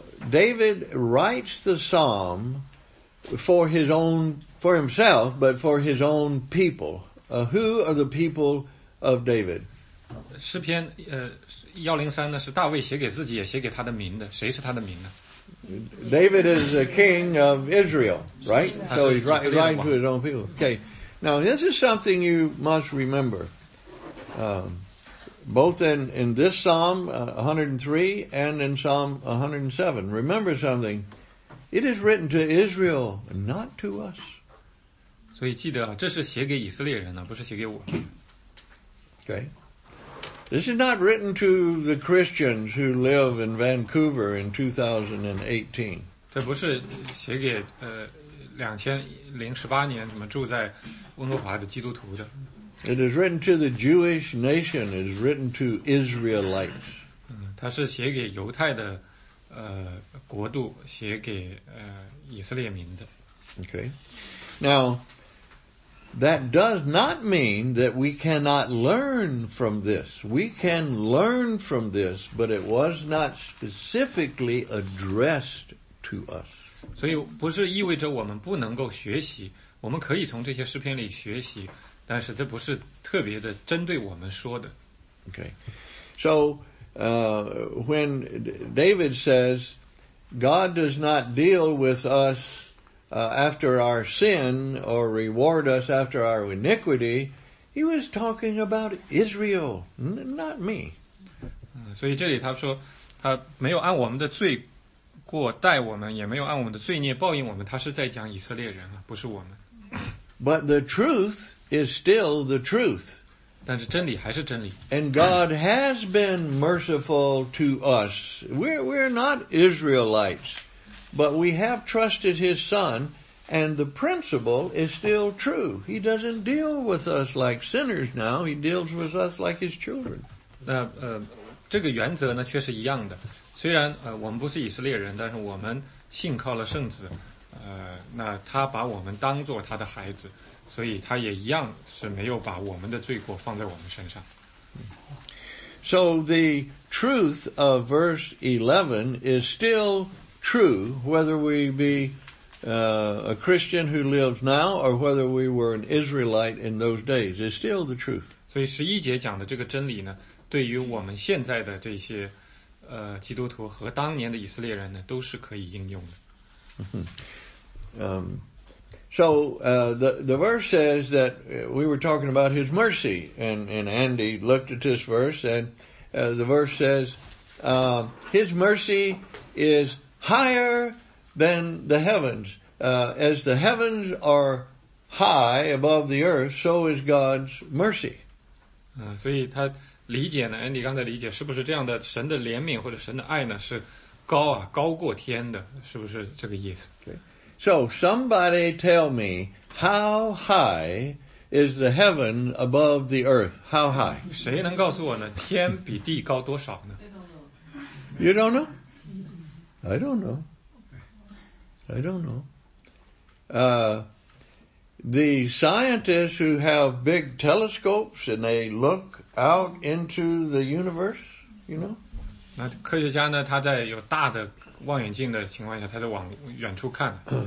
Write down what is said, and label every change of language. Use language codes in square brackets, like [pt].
[en] David writes the psalm for his own, for himself, but for his own people. Who are the people of David? [zh] 诗篇103呢，是大卫写给自己也写给他的民的。谁是他的民呢？ [en] David is a king of Israel, right? So he's writing to his own people. Okay. Now, this is something you must remember. Both in this Psalm 103 and in Psalm 107. Remember something. It is written to Israel, not to us. [zh] 所以记得啊，这是写给以色列人的，不是写给我。 [en] Okay. This is not written to the Christians who live in Vancouver in 2018. [zh] 这不是写给2018年什么住在温哥华的基督徒的。 [en] It is written to the Jewish nation. It is written to Israelites. [zh] 它是写给犹太的国度，写给以色列民的。 [en] Okay. Now, that does not mean that we cannot learn from this. We can learn from this, but it was not specifically addressed to us. [zh] 所以不是意味着我们不能够学习，我们可以从这些诗篇里学习，但是这不是特别的针对我们说的。 [en] Okay. So, when David says, God does not deal with us after our sin or reward us after our iniquity. He was talking about Israel, not me. [zh] 所以这里他说他没有按我们的罪过待我们，也没有按我们的罪孽报应我们，他是在讲以色列人，不是我们。 [en] But the truth is still the truth. [zh] 但是真理还是真理。 [en] And God has been merciful to us. We're not Israelites, but we have trusted His Son, and the principle is still true. He doesn't deal with us like sinners now, He deals with us like His children. [zh] 那这个原则呢却是一样的。虽然我们不是以色列人，但是我们信靠了圣子，那他把我们当作他的孩子，所以他也一样是没有把我们的罪过放在我们身上。 [en] So the truth of verse 11 is still true whether we be a Christian who lives now or whether we were an Israelite in those days. It's still the truth. [zh] 所以十一节讲的这个真理呢，对于我们现在的这些基督徒和当年的以色列人呢，都是可以应用的。 [en] So the verse says that we were talking about His mercy, and Andy looked at this verse, and the verse says, His mercy is higher than the heavens. As the heavens are high above the earth, so is God's mercy. [zh] 所以他理解呢 ，Andy 刚才理解是不是这样的？神的怜悯或者神的爱呢是高啊，高过天的，是不是这个意思？ [en] Okay. So somebody tell me how high is the heaven above the earth? How high? [zh] 谁能告诉我呢？天比地高多少呢 [en] ？I don't know. You don't know? I don't know. I don't know. The scientists who have big telescopes and they look out into the universe, you know? [zh] 那科学家呢，他在有大的望远镜的情况下，他在往远处看。